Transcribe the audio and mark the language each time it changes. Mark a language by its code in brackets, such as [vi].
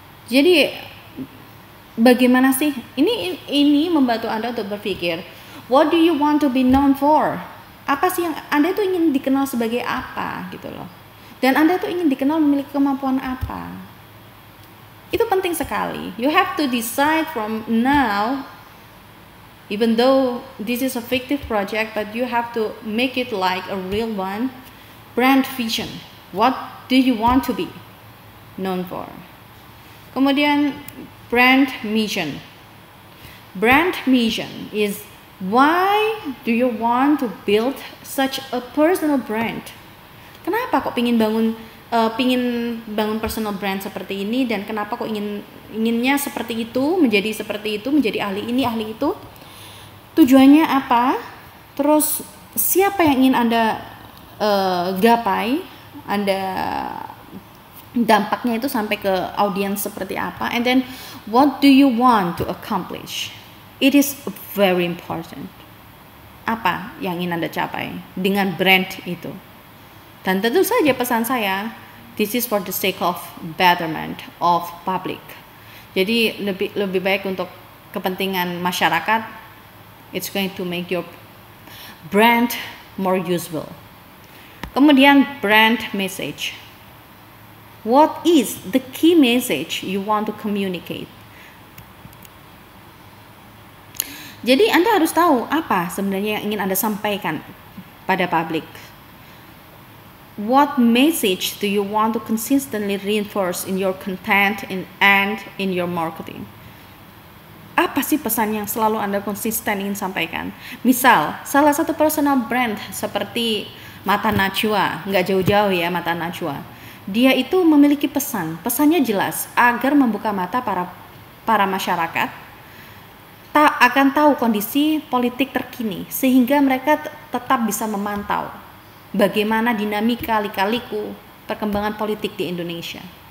[id] Jadi bagaimana sih? Ini membantu Anda untuk berpikir, [en] what do you want to be known for? [id] Apa sih yang Anda tuh ingin dikenal sebagai apa gitu loh. Dan Anda tuh ingin dikenal memiliki kemampuan apa? Itu penting sekali. [en] You have to decide from now, even though this is a fictive project, but you have to make it like a real one. Brand vision. What do you want to be known for? Kemudian, brand mission. Brand mission is why do you want to build such a personal brand? [id] Kenapa kok pingin bangun personal brand seperti ini, dan kenapa kok inginnya seperti itu, menjadi ahli ini, ahli itu? Tujuannya apa? Terus siapa yang ingin Anda gapai? Anda dampaknya itu sampai ke audiens seperti apa? [en] And then what do you want to accomplish? It is very important. [id] Apa yang ingin Anda capai dengan brand itu? Dan tentu saja pesan saya, [en] this is for the sake of betterment of public. [id] Jadi lebih baik untuk kepentingan masyarakat. [en] It's going to make your brand more usable. Kemudian brand message. What is the key message you want to communicate? [id] Jadi Anda harus tahu apa sebenarnya yang ingin Anda sampaikan pada publik. [en] What message do you want to consistently reinforce in your content and in your marketing? [id] Apa sih pesan yang selalu Anda konsisten ingin sampaikan? Misal, salah satu personal brand seperti Mata Najwa, nggak jauh-jauh ya Mata Najwa. Dia itu memiliki pesan, pesannya jelas, agar membuka mata para masyarakat akan tahu kondisi politik terkini, sehingga mereka tetap bisa memantau bagaimana dinamika lika-liku perkembangan politik di Indonesia.